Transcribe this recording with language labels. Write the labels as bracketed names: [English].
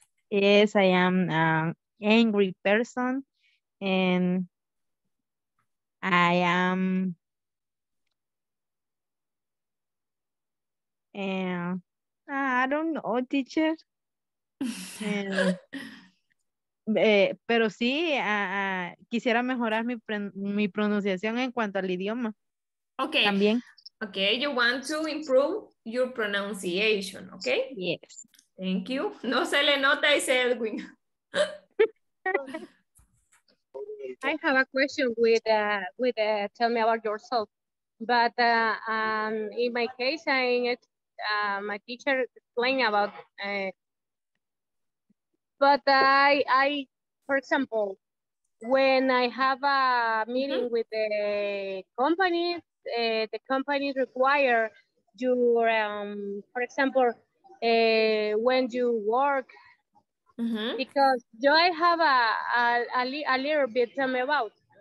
[English] Yes, I am an angry person, and I am I don't know, teacher. [Spanish] pero sí, quisiera mejorar mi pronunciación en cuanto al idioma. [English] Okay. [Spanish] También. [English] Okay, you want to improve your pronunciation, okay? Yes. Thank you. [Spanish] No se le nota, dice Edwin. [English] I have a question tell me about yourself. But in my case, my teacher explained about, but I, for example, when I have a meeting with the company, the company require your, for example, when you work, because I have a little bit tell me about.